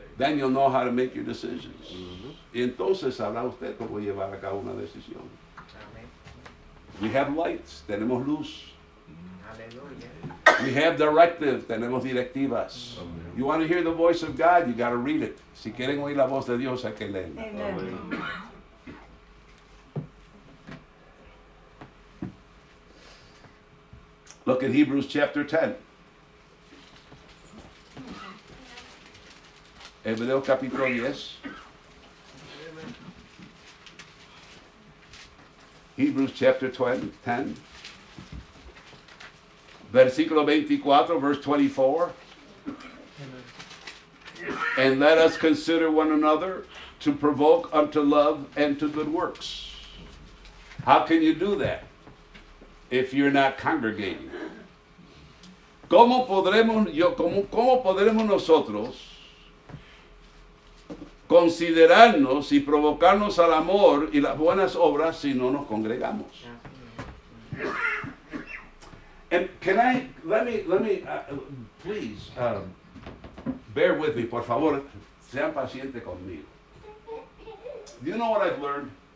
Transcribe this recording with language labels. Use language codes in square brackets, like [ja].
[en] Then you'll know how to make your decisions. [es] Y entonces sabrá usted cómo llevar a cabo una decisión. [en] We have lights, [es] tenemos luz. [en] Hallelujah. We have directives, [es] tenemos directivas. [en] Amen. You want to hear the voice of God, you got to read it. [es] Si quieren oír la voz de Dios, hay que leerla. Amen. [en] Look at Hebrews chapter 10. [es] Hebreo capítulo 10. [en] Hebrews chapter 10, [es] versículo 24, [en] verse 24. And let us consider one another to provoke unto love and to good works. How can you do that if you're not congregating? [es] ¿Cómo podremos nosotros considerarnos y provocarnos al amor y las buenas obras si no nos congregamos? [en] And can I, bear with me, [es] por favor, sean pacientes conmigo. [en] Do you know what I've learned?